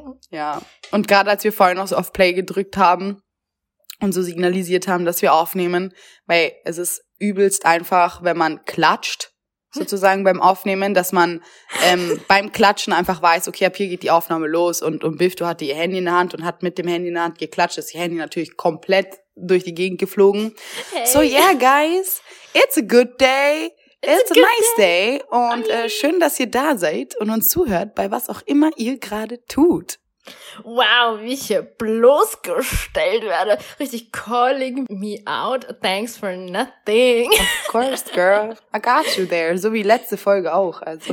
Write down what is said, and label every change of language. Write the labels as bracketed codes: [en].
[de] Ja, und gerade als wir vorhin noch so auf Play gedrückt haben und so signalisiert haben, dass wir aufnehmen, weil es ist übelst einfach, wenn man klatscht, sozusagen beim Aufnehmen, dass man beim Klatschen einfach weiß, okay, ab hier geht die Aufnahme los und Biftu hatte ihr Handy in der Hand und hat mit dem Handy in der Hand geklatscht, ist ihr Handy natürlich komplett durch die Gegend geflogen. Hey. [en] So, yeah, guys, it's a good day, it's a nice day. [de] Und schön, dass ihr da seid und uns zuhört, bei was auch immer ihr gerade tut. Wow, wie ich hier bloßgestellt werde. Richtig [en] calling me out. Thanks for nothing. Of course, girl. I got you there. [de] So wie letzte Folge auch. Also.